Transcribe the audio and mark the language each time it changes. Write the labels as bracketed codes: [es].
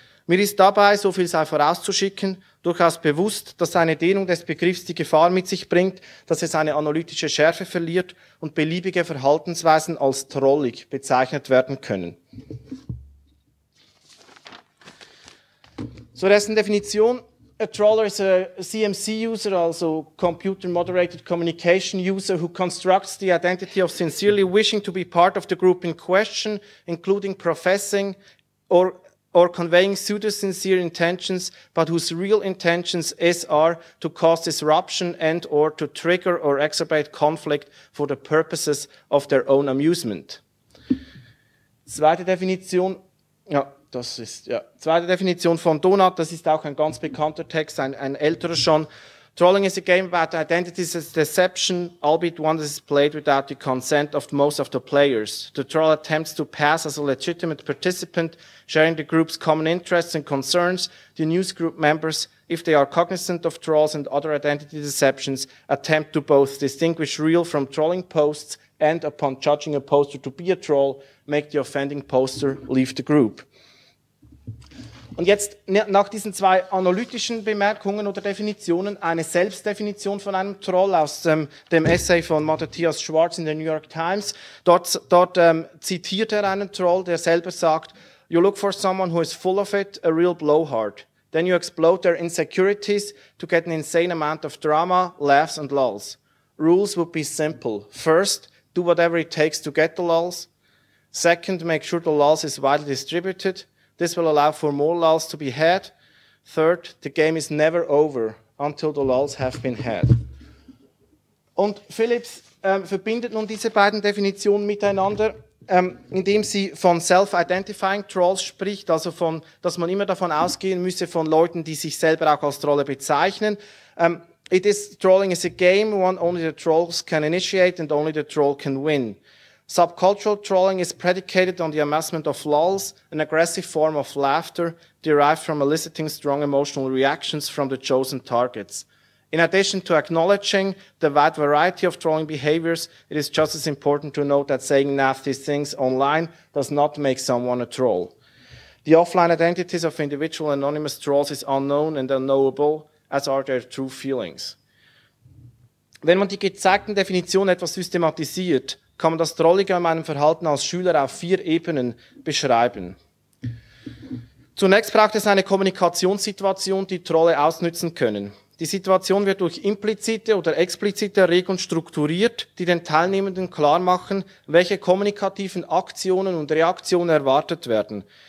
[de] Mir ist dabei, so viel sei vorauszuschicken, durchaus bewusst, dass eine Dehnung des Begriffs die Gefahr mit sich bringt, dass es eine analytische Schärfe verliert und beliebige Verhaltensweisen als trollig bezeichnet werden können. Zur ersten Definition. [en] A troller is a CMC user, also computer moderated communication user, who constructs the identity of sincerely wishing to be part of the group in question, including professing or conveying pseudo-sincere intentions, but whose real intentions are to cause disruption and or to trigger or exacerbate conflict for the purposes of their own amusement. [de] Zweite Definition. Ja, das ist, ja. Zweite Definition von Donut, das ist auch ein ganz bekannter Text, ein älterer schon. [en] Trolling is a game about identity as deception, albeit one that is played without the consent of most of the players. The troll attempts to pass as a legitimate participant, sharing the group's common interests and concerns. The news group members, if they are cognizant of trolls and other identity deceptions, attempt to both distinguish real from trolling posts and, upon judging a poster to be a troll, make the offending poster leave the group. [de] Und jetzt nach diesen zwei analytischen Bemerkungen oder Definitionen eine Selbstdefinition von einem Troll aus dem Essay von Matthias Schwarz in der New York Times. Dort zitiert er einen Troll, der selber sagt, [en] you look for someone who is full of it, a real blowhard. Then you explode their insecurities to get an insane amount of drama, laughs and lulls. Rules would be simple. First, do whatever it takes to get the lulls. Second, make sure the lulls is widely distributed. This will allow for more lulls to be had. Third, the game is never over until the lulls have been had. [de] Und Philips verbindet nun diese beiden Definitionen miteinander, indem sie von self-identifying Trolls spricht, also von, dass man immer davon ausgehen müsse von Leuten, die sich selber auch als Trolle bezeichnen. [en] Trolling is a game, one only the trolls can initiate and only the troll can win. Subcultural trolling is predicated on the amassment of lulls, an aggressive form of laughter derived from eliciting strong emotional reactions from the chosen targets. In addition to acknowledging the wide variety of trolling behaviors, it is just as important to note that saying nasty things online does not make someone a troll. The offline identities of individual anonymous trolls is unknown and unknowable, as are their true feelings. [de] Wenn man die gezeigten Definitionen etwas systematisiert, kann man das Trollige an meinem Verhalten als Schüler auf vier Ebenen beschreiben. Zunächst braucht es eine Kommunikationssituation, die Trolle ausnützen können. Die Situation wird durch implizite oder explizite Erregung strukturiert, die den Teilnehmenden klar machen, welche kommunikativen Aktionen und Reaktionen erwartet werden.